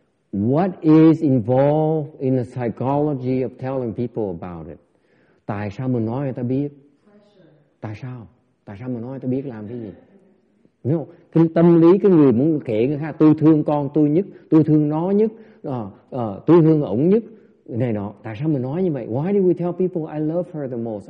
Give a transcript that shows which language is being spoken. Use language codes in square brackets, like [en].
[en] What is involved in the psychology of telling people about it? [vi] Tại sao mình nói người ta biết? Tại sao? Tại sao mình nói người ta biết làm cái gì? Đúng không? Cái tâm lý cái người muốn kể người khác, tôi thương con tôi nhất, tôi thương nó nhất, tôi thương ổng nhất, này nọ. Tại sao mình nói như vậy? [en] Why do we tell people I love her the most?